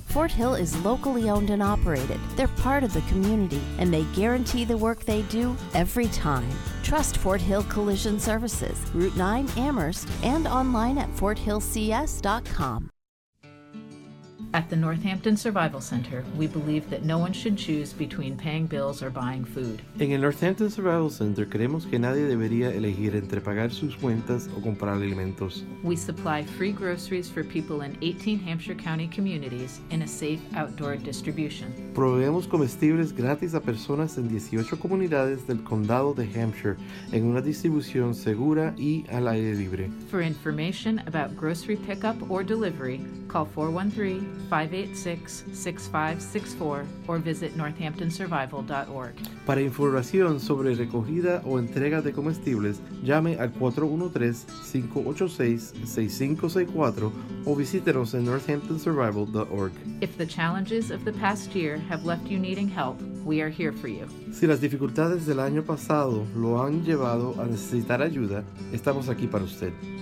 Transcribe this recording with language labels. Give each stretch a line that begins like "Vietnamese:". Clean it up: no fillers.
English: Fort Hill is locally owned and operated. They're part of the community, and they guarantee the work they do every time. Trust Fort Hill Collision Services, Route 9, Amherst, and online at forthillcs.com. At the Northampton Survival Center, we believe that no one should choose between paying bills or buying food.
Spanish: En el Northampton Survival Center, creemos que nadie debería elegir entre pagar sus cuentas o comprar alimentos.
English: We supply free groceries for people in 18 Hampshire County communities in a safe outdoor distribution.
Spanish: Proveemos comestibles gratis a personas en 18 comunidades del condado de Hampshire en una distribución segura y al aire libre.
English: For information about grocery pickup or delivery, call 413 413- 586-6564 or visit northamptonsurvival.org.
Spanish: Para información sobre recogida o entrega de comestibles, llame al 413-586-6564 o visítenos en northamptonsurvival.org.
English: If the challenges of the past year have left you needing help, we are here for you.
Spanish: Si las dificultades del año pasado lo han llevado a necesitar ayuda, estamos aquí para usted.